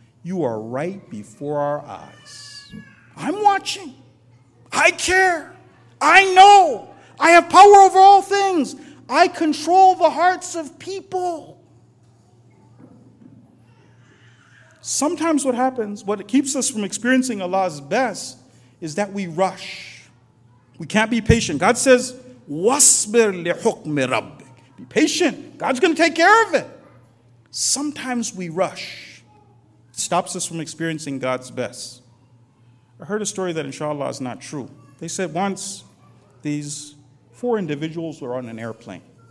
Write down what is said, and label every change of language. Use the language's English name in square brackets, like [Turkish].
[English] You are right before our eyes. I'm watching. I care. I know. I have power over all things. I control the hearts of people. Sometimes what happens, what keeps us from experiencing Allah's best, is that we rush. We can't be patient. God says, [Arabic] وَاسْبِرْ لِحُكْمِ رَبِّكَ. [English] Be patient. God's going to take care of it. Sometimes we rush. It stops us from experiencing God's best. I heard a story that inshallah is not true. They said once these four individuals were on an airplane.